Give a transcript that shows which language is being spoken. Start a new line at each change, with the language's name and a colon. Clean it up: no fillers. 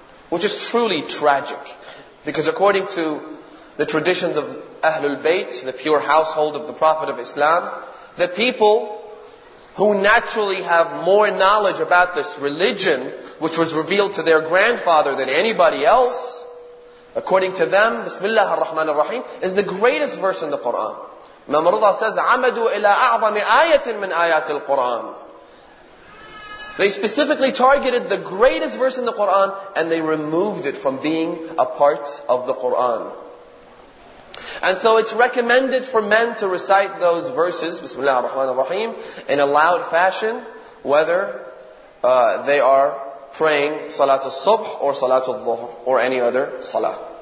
English: Which is truly tragic. Because according to the traditions of Ahlul Bayt, the pure household of the Prophet of Islam, the people who naturally have more knowledge about this religion, which was revealed to their grandfather than anybody else, according to them, Bismillah ar-Rahman ar-Rahim is the greatest verse in the Quran. Imam Ridha says,
Arabic: عَمَدُوا إِلَىٰ أَعْظَمِ آيَةٍ مِنْ آيَاتِ الْقُرْآنِ.
English: They specifically targeted the greatest verse in the Quran and they removed it from being a part of the Quran. And so it's recommended for men to recite those verses, Bismillah ar-Rahman ar-Rahim, in a loud fashion, whether they are praying Salat al-Subh or Salat al-Dhuhr or any other Salah.